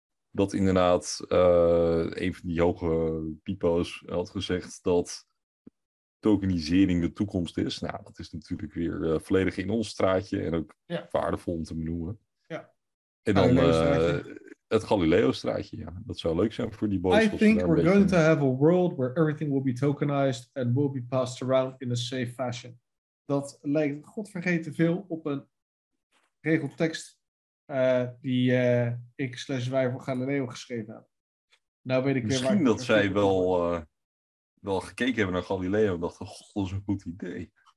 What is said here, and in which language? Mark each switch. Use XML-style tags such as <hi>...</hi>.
<nl>Dat inderdaad een van die hoge pipo's had gezegd dat tokenisering de toekomst is. Nou, dat is natuurlijk weer volledig in ons straatje en ook waardevol om te benoemen. Ja. En dan Het Galileo-straatje, ja. Dat zou leuk zijn voor die boys.</nl> <en>I think we're going to have a world where everything will be tokenized and will be passed around in a safe fashion.</en> <nl>Dat lijkt godvergeten veel op een regeltekst die ik / wij voor Galileo geschreven heb. Nou weet ik misschien weer waar dat zij wel gekeken hebben naar Galileo en dachten, god, dat is een goed idee.</nl>